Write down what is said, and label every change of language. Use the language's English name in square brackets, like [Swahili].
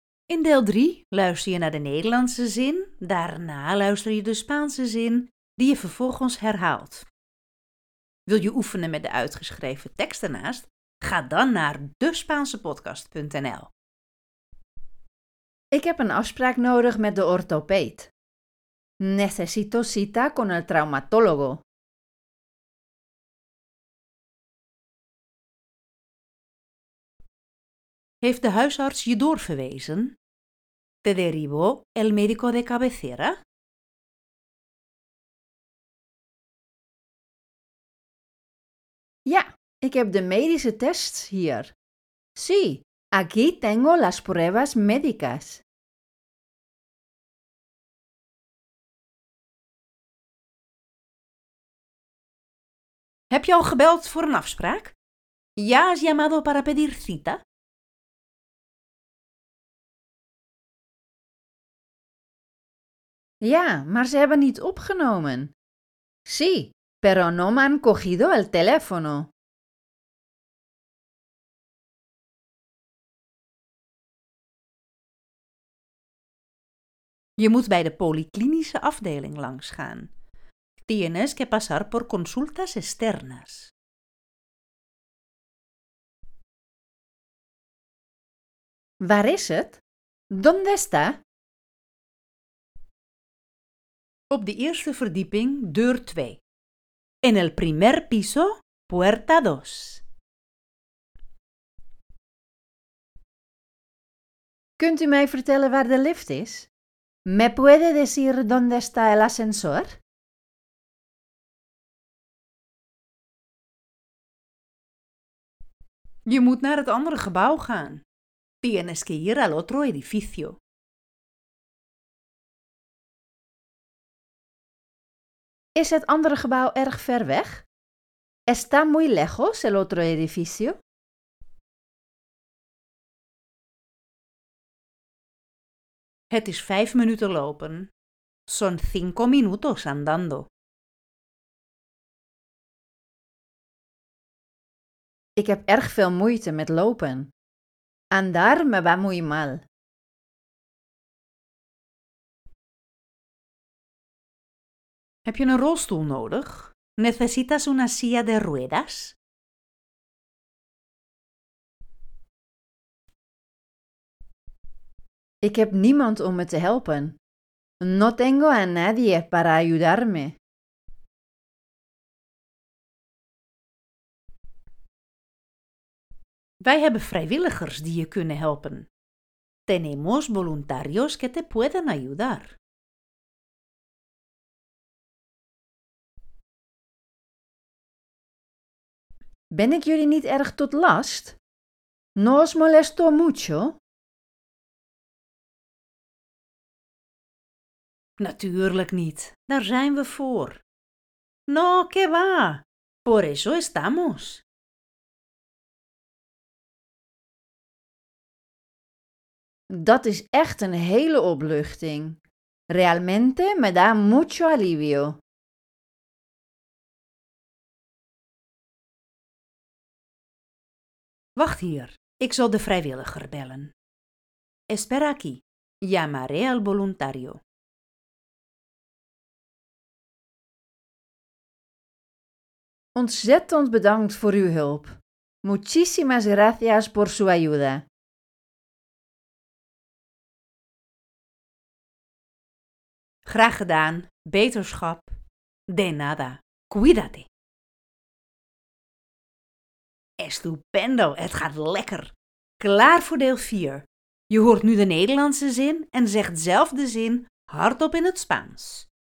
[Dutch] In deel 3 luister je naar de Nederlandse zin, daarna luister je de Spaanse zin die je vervolgens herhaalt. Wil je oefenen met de uitgeschreven tekst ernaast? Ga dan naar deSpaansePodcast.nl. Ik heb een afspraak nodig met de orthopeed. [Spanish] Necesito cita con el traumatólogo. [Dutch] Heeft de huisarts je doorverwezen? [Spanish] Te derivó el médico de cabecera? [Dutch] Ja, ik heb de medische tests hier. [Spanish] Sí, aquí tengo las pruebas médicas. [Dutch] Heb je al gebeld voor een afspraak? [Spanish] ¿Ya has llamado para pedir cita? [Dutch] Ja, maar ze hebben niet opgenomen. [Spanish] Sí, pero no me han cogido el teléfono. [Dutch] Je moet bij de polyklinische afdeling langsgaan. [Spanish] Tienes que pasar por consultas externas. [Dutch] Waar is het? [Spanish] ¿Dónde está? [Dutch] Op de eerste verdieping, deur 2. [Spanish] En el primer piso, puerta 2. [Dutch] Kunt u mij vertellen waar de lift is? [Spanish] ¿Me puede decir dónde está el ascensor? [Dutch] Je moet naar het andere gebouw gaan. [Spanish] Tienes que ir al otro edificio. ¿Es el otro [Dutch] gebouw erg ver weg? [Spanish] ¿Está muy lejos el otro edificio? [Dutch] Het is 5 minuten lopen. [Spanish] Son 5 minutos andando. [Dutch] Ik heb erg veel moeite met lopen. [Spanish] Andar me va muy mal. [Dutch] Heb je een rolstoel nodig? [Spanish] ¿Necesitas una silla de ruedas? [Dutch] Ik heb niemand om me te helpen. [Spanish] No tengo a nadie para ayudarme. [Dutch] Wij hebben vrijwilligers die je kunnen helpen. [Spanish] Tenemos voluntarios que te pueden ayudar. [Dutch] Ben ik jullie niet erg tot last? [Spanish] No os molesto mucho? [Dutch] Natuurlijk niet. Daar zijn we voor. [Spanish] No, qué va. Por eso estamos. [Dutch] Dat is echt een hele opluchting. [Spanish] Realmente me da mucho alivio. [Dutch] Wacht hier, ik zal de vrijwilliger bellen. [Spanish] Espera aquí, llamaré al voluntario. [Dutch] Ontzettend bedankt voor uw hulp. [Spanish] Muchísimas gracias por su ayuda. [Dutch] Graag gedaan, beterschap. [Spanish] De nada, cuídate. [Dutch] Estupendo, het gaat lekker. Klaar voor deel 4. Je hoort nu de Nederlandse zin en zegt zelf de zin hardop in het Spaans.